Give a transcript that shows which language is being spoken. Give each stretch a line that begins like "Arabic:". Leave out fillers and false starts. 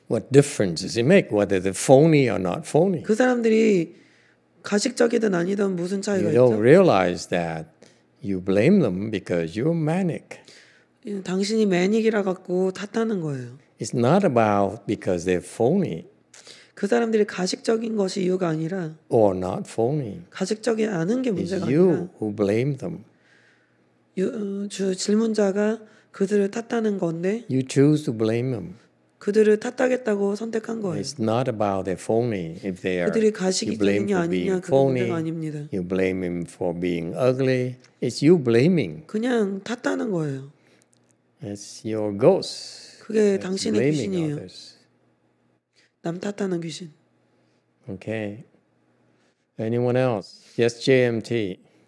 English: What difference does it make whether they're phony or not phony?
Korean: 그 사람들이 가식적이든 아니든 무슨 차이가 있죠?
English: You don't realize that you blame them because you're manic.
Korean: 당신이 매닉이라 갖고 탓하는 거예요.
English: It's not about because they're phony.
Korean: 그 사람들이 가식적인 것이 이유가 아니라
English: or not phony.
Korean: 가식적이 않은 게 문제가 아니라
English: you who blame them.
Korean: 주 질문자가 그들을 탓하는 건데
English: you choose to blame them.
Korean: 그들을 탓하겠다고 선택한 거예요.
English: It's not about they're phony if they are.
Korean: 그들이 가식적이냐 아니냐 그건 문제가 아닙니다.
English: You blame him for being ugly. It's you blaming.
Korean: 그냥 탓하는 거예요.
English: It's your ghost.
Korean: 그게 당신의 귀신이에요. 남 탓하는 귀신.
English: Okay. Anyone else? Yes, JMT.